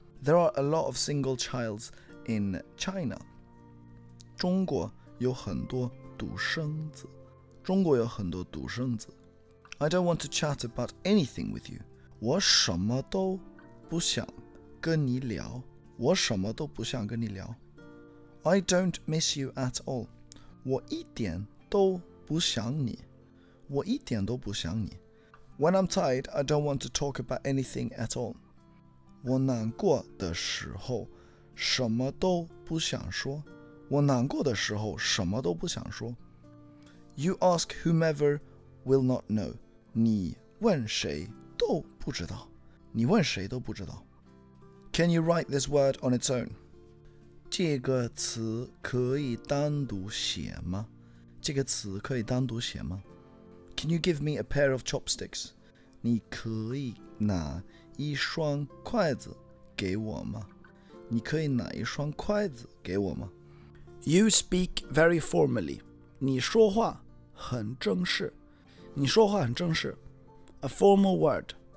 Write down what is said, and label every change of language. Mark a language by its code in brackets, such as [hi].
[en] There are a lot of single childs in China. [zh] 中国有很多独生子，中国有很多独生子。 [en] I don't want to chat about anything with you. [zh] 我什么都不想跟你聊，我什么都不想跟你聊。 [en] I don't miss you at all. [zh] 我一点都不想你，我一点都不想你。 [en] When I'm tired, I don't want to talk about anything at all. [zh] 我难过的时候什么都不想说，我难过的时候什么都不想说。 [en] You ask whomever will not know. [zh] 你问谁都不知道，你问谁都不知道。 [en] Can you write this word on its own? [zh] 这个词可以单独写吗？这个词可以单独写吗？ [en] Can you give me a pair of chopsticks? [zh] 你可以拿一双筷子给我吗？你可以拿一双筷子给我吗？ [en] You speak very formally. [zh] 你说话很正式。你说话很正式。 [en] A formal word.